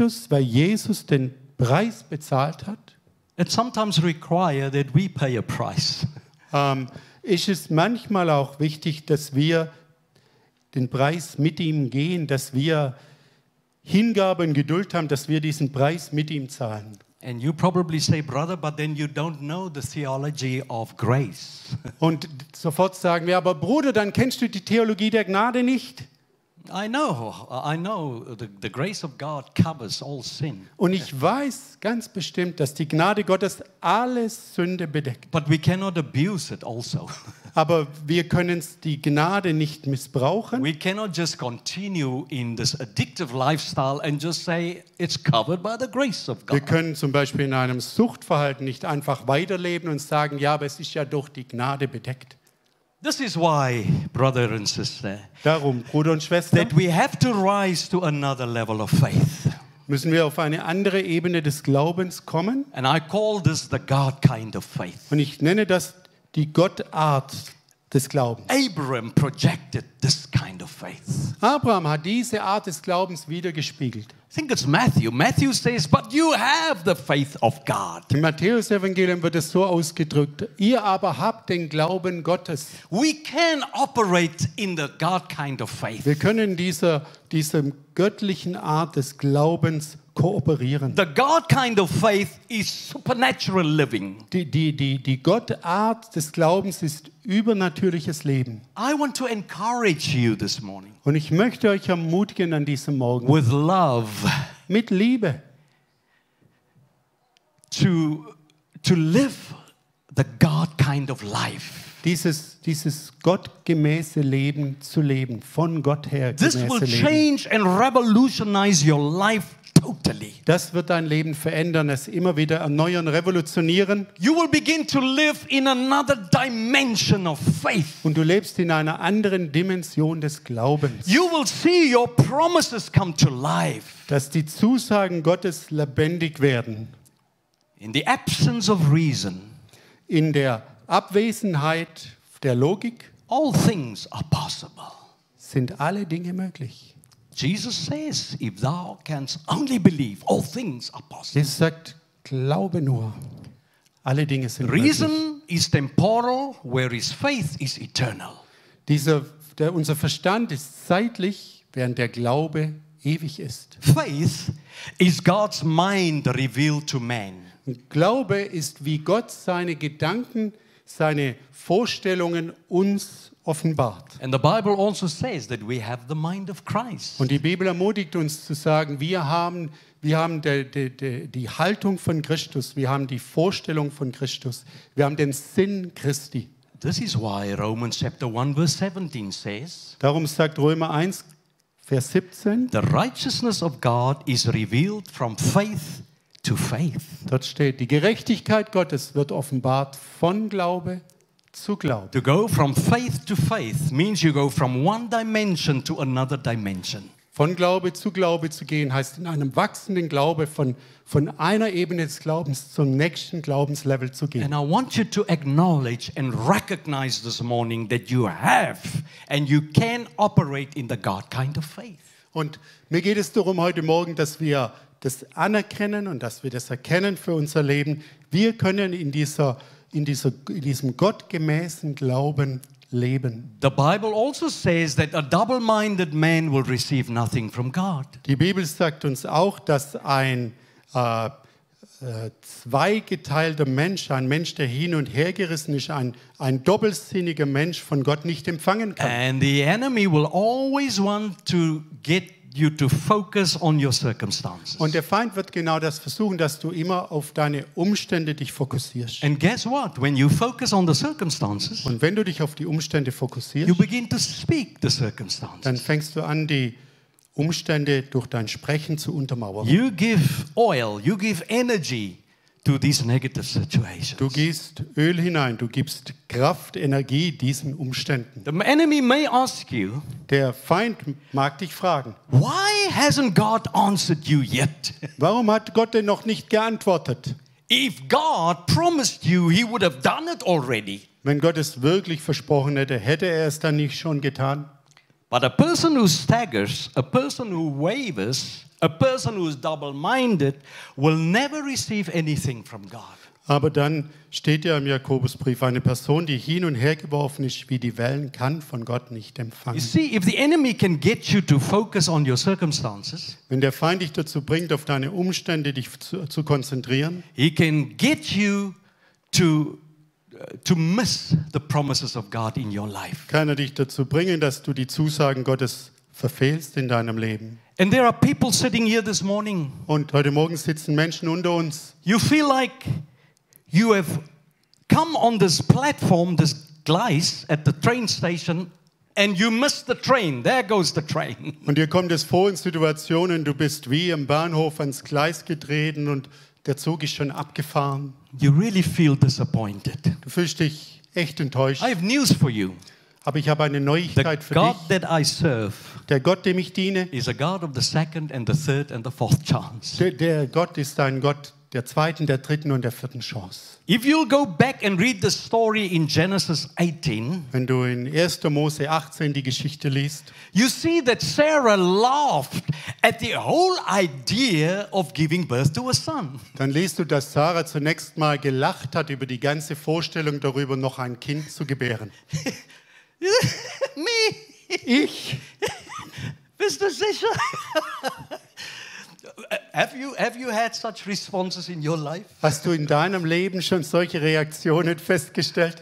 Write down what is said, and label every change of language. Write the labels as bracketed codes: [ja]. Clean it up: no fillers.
[de] weil Jesus den Preis bezahlt hat, [en] it sometimes require that we pay a price. [de] Ist es manchmal auch wichtig, dass wir den Preis mit ihm gehen, dass wir Hingabe und Geduld haben, dass wir diesen Preis mit ihm zahlen. [en] And you probably say, brother, but then you don't know the theology of grace. [de] Und sofort sagen wir, aber Bruder, dann kennst du die Theologie der Gnade nicht. [en] I know the grace of God covers all sin. [de] Und ich weiß ganz bestimmt, dass die Gnade Gottes alle Sünde bedeckt. [en] But we cannot abuse it also. [de] Aber wir können die Gnade nicht missbrauchen. [en] We cannot just continue in this addictive lifestyle and just say it's covered by the grace of God. [de] Wir können zum Beispiel in einem Suchtverhalten nicht einfach weiterleben und sagen, ja, aber es ist ja durch die Gnade bedeckt. [en] This is why, brother and sister, [de] darum, Bruder und Schwester, [en] that we have to rise to another level of faith. [de] Müssen wir auf eine andere Ebene des Glaubens kommen? [en] And I call this the God kind of faith. [de] Und ich nenne das die Gottart des Glaubens. [en] Abraham projected this kind of faith. [de] Abraham hat diese Art des Glaubens widergespiegelt. [en] I think it's Matthew. Matthew says, but you have the faith of God. [de] Im Matthäus-Evangelium wird es so ausgedrückt: Ihr aber habt den Glauben Gottes. [en] We can operate in the God kind of faith. [de] Wir können diesem göttlichen Art des Glaubens kooperieren. [en] The God kind of faith is supernatural living. [de] Die Gottart des Glaubens ist übernatürliches Leben. [en] I want to encourage you this morning. [de] Und ich möchte euch ermutigen an diesem Morgen. [en] With love. [de] Mit Liebe. [en] To live the God kind of life. [de] Dieses gottgemäße Leben zu leben, von Gott her gemäße Leben. [en] This will change and revolutionize your life. Totally. [de] Das wird dein Leben verändern, es immer wieder erneuern, revolutionieren. [en] You will begin to live in another dimension of faith. [de] Und du lebst in einer anderen Dimension des Glaubens. [en] You will see your promises come to life. [de] Dass die Zusagen Gottes lebendig werden. [en] In the absence of reason. [de] In der Abwesenheit der Logik. [en] All things are possible. [de] Sind alle Dinge möglich. [en] Jesus says, if thou canst only believe, all things are possible. [de] Jesus sagt, glaube nur, alle Dinge sind möglich. [en] Reason is temporal, whereas faith is eternal. [de] Unser Verstand ist zeitlich, während der Glaube ewig ist. [en] Faith is God's mind revealed to man. [de] Glaube ist, wie Gott seine Gedanken, seine Vorstellungen uns offenbart. [en] And the Bible also says that we have the mind of Christ. [de] Und die Bibel ermutigt uns zu sagen, wir haben die Haltung von Christus, wir haben die Vorstellung von Christus, wir haben den Sinn Christi. [en] This is why Romans chapter 1 verse 17 says. [de] Darum sagt Römer 1 Vers 17. [en] The righteousness of God is revealed from faith to faith. [de] Dort steht, die Gerechtigkeit Gottes wird offenbart von Glaube. [en] To go from faith to faith means you go from one dimension to another dimension. [de] Von Glaube zu Glaube zu gehen heißt in einem wachsenden Glaube von einer Ebene des Glaubens zum nächsten Glaubenslevel zu gehen. [en] And I want you to acknowledge and recognize this morning that you have and you can operate in the God kind of faith. [de] Und mir geht es darum heute Morgen, dass wir das anerkennen und dass wir das erkennen für unser Leben. Wir können in diesem gottgemäßen Glauben leben. [en] The Bible also says that a double-minded man will receive nothing from God. [de] Die Bibel sagt uns auch, dass ein zweigeteilter Mensch, ein Mensch, der hin und her gerissen ist, ein doppelsinniger Mensch von Gott nicht empfangen kann. [en] And the enemy will always want to get you to focus on your circumstances. [de] Und der Feind wird genau das versuchen, dass du immer auf deine Umstände dich fokussierst. [en] And guess what? When you focus on the circumstances, [de] und wenn du dich auf die Umstände fokussierst, [en] you begin to speak the circumstances. [de] Dann fängst du an, die Umstände durch dein Sprechen zu untermauern. [en] You give oil, you give energy to these negative situations. [de] Du gießt Öl hinein, du gibst Kraft, Energie diesen Umständen. [en] The enemy may ask you, [de] der Feind mag dich fragen, [en] why hasn't God answered you yet? [de] Warum hat Gott denn noch nicht geantwortet? [en] If God promised you, he would have done it already. [de] Wenn Gott es wirklich versprochen hätte, hätte er es dann nicht schon getan? [en] But a person who staggers, a person who wavers, a person who is double-minded will never receive anything from God. [de] Aber dann steht ja im Jakobusbrief, eine Person, die hin und her geworfen ist wie die Wellen, kann von Gott nicht empfangen. [en] You see, if the enemy can get you to focus on your circumstances, [de] wenn der Feind dich dazu bringt, auf deine Umstände dich zu konzentrieren, [en] he can get you to miss the promises of God in your life. [de] Kann er dich dazu bringen, dass du die Zusagen Gottes verfehlst in deinem Leben? [en] And there are people sitting here this morning. [de] Und heute Morgen sitzen Menschen unter uns. [en] You feel like you have come on this platform, this Gleis at the train station, and you miss the train. There goes the train. [de] Und dir kommt es vor in Situationen, du bist wie im Bahnhof ans Gleis getreten und der Zug ist schon abgefahren. [en] You really feel disappointed. [de] Du fühlst dich echt enttäuscht. [en] I have news for you. [de] Aber ich habe eine Neuigkeit für [en] God [de] dich. [en] That I serve, [de] der Gott, dem ich diene, [en] is a God of the second and the third and the fourth chance. [de] Der Gott ist ein Gott der zweiten, der dritten und der vierten Chance. [en] If you'll go back and read the story in Genesis 18, [de] wenn du in 1. Mose 18 die Geschichte liest, [en] you see that Sarah laughed at the whole idea of giving birth to a son. [de] Dann liest du, dass Sarah zunächst mal gelacht hat über die ganze Vorstellung darüber, noch ein Kind zu gebären. [en] Me. [de] Ich. Bist du sicher? [en] Have you had such responses in your life? [de] Hast du in deinem Leben schon solche Reaktionen festgestellt?